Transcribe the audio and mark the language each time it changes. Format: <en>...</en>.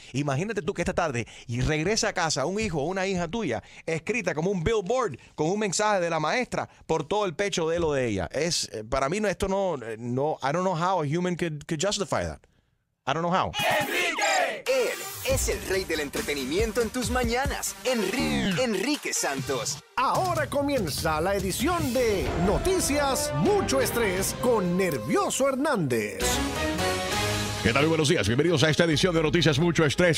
<es>Imagínate tú que esta tarde y regresa a casa un hijo o una hija tuya escrita como un billboard con un mensaje de la maestra por todo el pecho de lo de ella. Es para mí, esto no.</es> <en>No, I don't know how a human could justify that. I don't know how.</en> <es>¡Enrique! Él es el rey del entretenimiento en tus mañanas. Enrique Santos. Ahora comienza la edición de Noticias Mucho Estrés con Nervioso Hernández. ¿Qué tal? Muy buenos días. Bienvenidos a esta edición de Noticias Mucho Estrés.</es>